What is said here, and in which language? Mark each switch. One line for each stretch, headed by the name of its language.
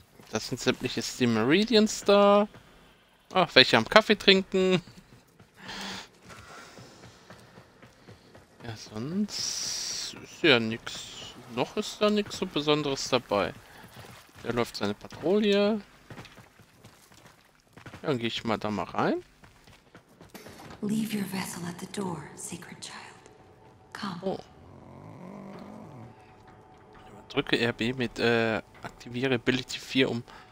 German: Das sind sämtliche Steam Meridians da. Ach, welche am Kaffee trinken. Ja, sonst ist ja nichts. Noch ist da nichts so Besonderes dabei. Der läuft seine Patrouille. Dann gehe ich mal da mal rein.
English: Leave your vessel at the door, sacred child. Come. Oh.
German: Drücke RB mit aktiviere Ability 4 um.